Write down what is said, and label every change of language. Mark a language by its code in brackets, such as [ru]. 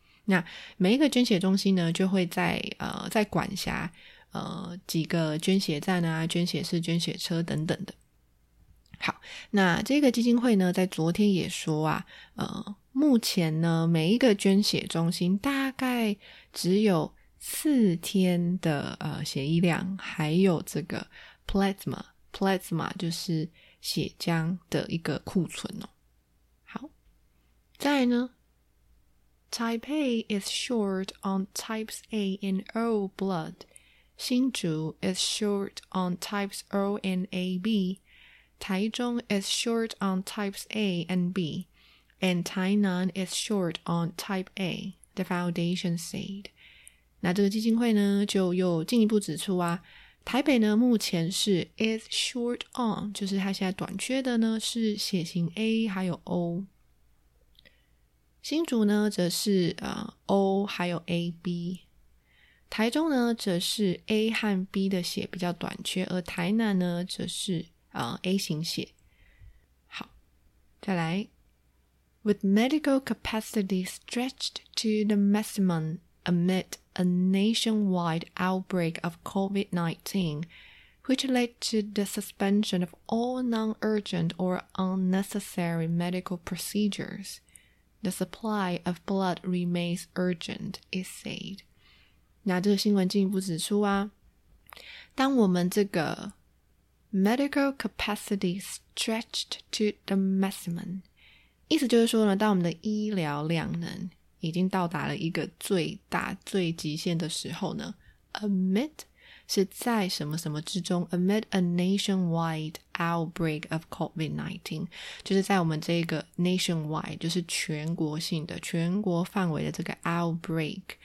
[zh] 那每一个捐血中心呢就会在管辖几个捐血站啊，捐血室、捐血车等等的。好，那这个基金会呢在昨天也说啊，目前呢，每一个捐血中心大概只有四天的血液量，还有这个 plasma 就是血浆的一个库存哦。 [en] 好，再来呢， Taipei is short on types A and O blood， 新竹 is short on types O and AB， 台中 is short on types A and B， and Tainan is short on type A， the foundation said。 [zh] 那这个基金会呢就又进一步指出啊，台北呢目前是 [en] is short on， [zh] 就是它现在短缺的呢是血型 A 还有 O， 新竹呢则是O 还有 AB， 台中呢则是 A 和 B 的血比较短缺，而台南呢则是A 型血。 [en] 好，再来， With medical capacity stretched to the maximum amidA nationwide outbreak of COVID-19, which led to the suspension of all non-urgent or unnecessary medical procedures, the supply of blood remains urgent, it said. [zh] 那这个新闻进一步指出啊，当我们这个 [en] medical capacity stretched to the maximum， [zh] 意思就是说呢，当我们的医疗量能已经到达了一个最大最极限的时候呢， amid 是在什么什么之中， [en] amid a nationwide outbreak of COVID-19， [zh] 就是在我们这个 nationwide 就是全国性的全国范围的这个 outbreak